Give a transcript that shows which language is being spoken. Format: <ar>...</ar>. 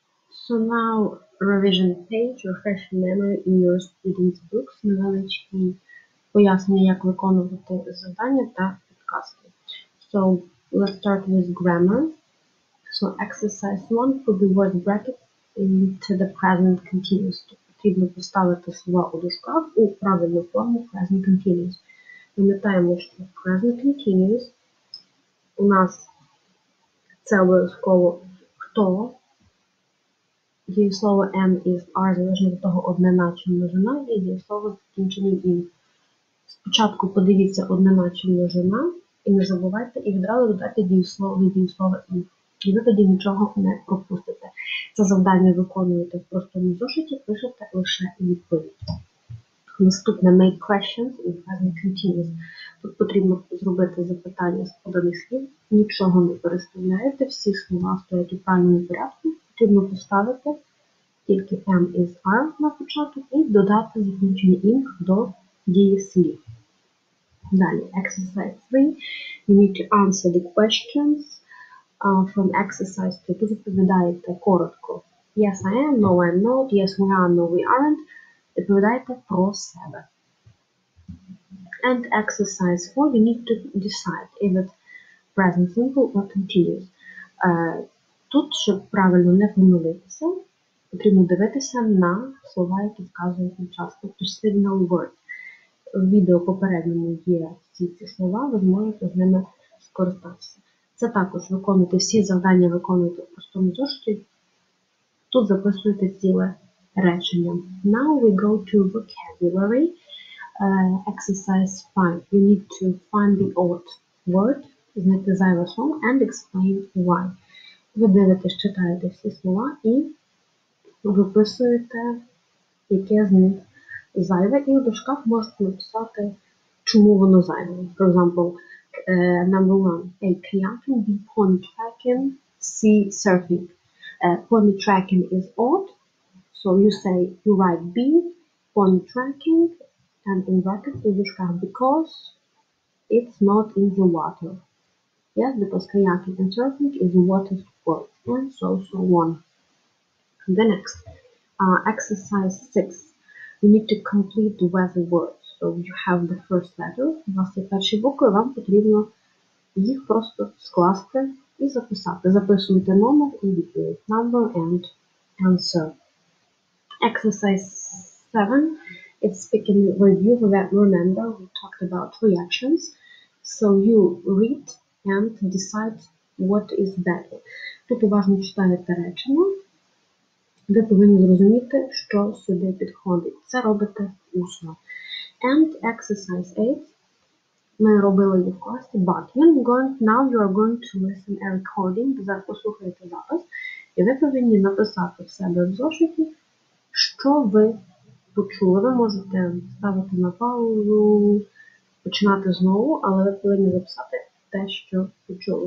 <en>So now, revision page, refresh memory in your students' books.</en> <uk>На галочке пояснення, як виконувати завдання та підказки.</uk> <en>So, let's start with grammar. So, exercise 1, put the word bracket into the present continuous.</en> <uk>Потрібно поставити слова у дужках у правильну форму present continuous. Пам'ятаємо, що present continuous у нас це обов'язково хто. Дієслово am is are залежно від того, однина чи множина, і дієслово з закінченням in. Спочатку подивіться однина чи множина, і не забувайте, і відразу додайте дієслово in. І ви тоді нічого не пропустите. Це завдання виконуєте в простому зошиті, пишете лише відповідь. Наступне</uk> <en>make questions in present continuous.</en> <uk>Тут потрібно зробити запитання з поданих слів, нічого не переставляєте, всі слова стоять у правильному порядку. Потрібно поставити тільки am is are на початок і додати закінчення ing до дієслів. Далі,</uk> <en>exercise 3. You need to answer the questions from exercise 2.</en> <uk>Тут відповідаєте коротко.</uk> <en>Yes, I am. No, I'm not. Yes, we are. No, we aren't.</en> <uk>Відповідаєте про себе.</uk> <en>And exercise 4. You need to decide if it's present simple or continuous.</en> <uk>Тут, щоб правильно не помилитися, потрібно дивитися на слова, які вказують на час. Тобто signal word. В відео попередньому є всі ці слова, ви зможете з ними скористатися. Це також виконуйте всі завдання, виконуйте в простому зошиті. Тут записуєте ціле речення.</uk> <en>Now we go to vocabulary. Exercise 5. You need to find the odd word,</en> <uk>знайти зайве слово</uk> <en>and explain why.</en> <uk>Ви дивитесь, читаєте всі слова і виписуєте, яке з них зайве. І у дужках можете написати, чому воно зайве.</uk> <en>For example, number one, A. Kayaking, B. Pony tracking, C. Surfing. Pony tracking is odd. So you say, you write B, pony tracking, and in brackets</en> <uk>у дужках,</uk> <en>because it's not in the water. Yes, because kayaking and surfing is water sport, and so on. The next, exercise 6. You need to complete the weather words. So you have the first letter,</en> <uk>у вас є перші букви, вам потрібно їх просто скласти і записати. Записуйте номер і відповідь.</uk> <en>Number and answer. Exercise 7. It's speaking review. Remember, we talked about reactions. So you read and decide what is better.</en> <uk>Тут уважно читаєте речення. Ви повинні зрозуміти, що сюди підходить. Це робите усно.</uk> <en>And exercise 8.</en> <uk>Ми робили його в класі.</uk> <en>But now you are going to listen a recording.</en> <uk>Зараз послухаєте запис. І ви повинні написати в себе в зошиті, що ви почули. Ви можете ставити на паузу, починати знову, але ви повинні записати те, що почули.</uk>